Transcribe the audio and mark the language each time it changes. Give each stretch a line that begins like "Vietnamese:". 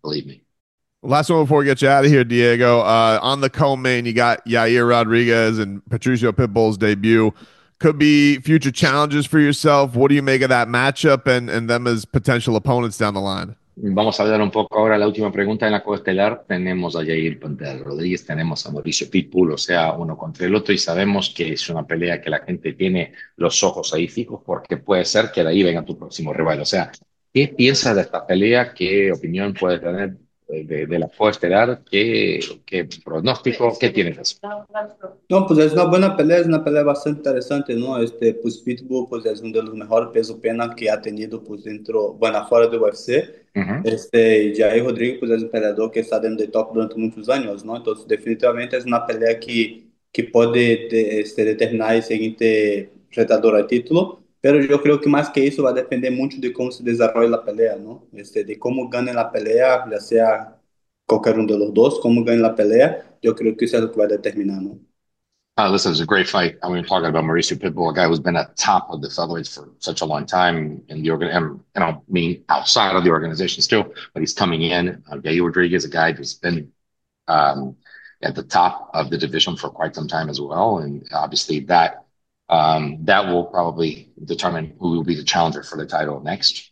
English: Believe me. Last one before we get you out of here, Diego. On the co-main, you got Yair Rodriguez and Patricio Pitbull's debut. Could be future challenges for yourself. What do you make of that matchup and them as potential opponents down the line?
Spanish: Vamos a hablar un poco ahora. La última pregunta en la coestelar. Tenemos a Yair Pantel Rodríguez, tenemos a Mauricio Pitbull, o sea, uno contra el otro, y sabemos que es una pelea que la gente tiene los ojos ahí fijos, porque puede ser que de ahí venga tu próximo rival. O sea, ¿qué piensas de esta pelea? ¿Qué opinión puedes tener de la coestelar? ¿Qué pronóstico? ¿Qué tienes? No, pues es una buena pelea, es una pelea bastante interesante, ¿no? Pues Pitbull, pues es uno de los mejores peso pena que ha tenido, pues dentro, bueno, afuera de UFC. Yair Rodríguez, pues es un peleador que está dentro de top durante muchos años, ¿no? Entonces, definitivamente es una pelea que puede determinar el siguiente retador al título, pero yo creo que más que eso va a depender mucho de cómo se desarrolle la pelea, ¿no? De cómo gane la pelea, ya sea cualquier uno de los dos, cómo gane la pelea, yo creo que eso es lo que va a determinar, ¿no?
English: Listen, it's a great fight. I mean, talking about Mauricio Pitbull, a guy who's been at top of the featherweights for such a long time in the organization, and I don't mean outside of the organizations too, but he's coming in. Yair Rodriguez, a guy who's been at the top of the division for quite some time as well. And obviously that will probably determine who will be the challenger for the title next.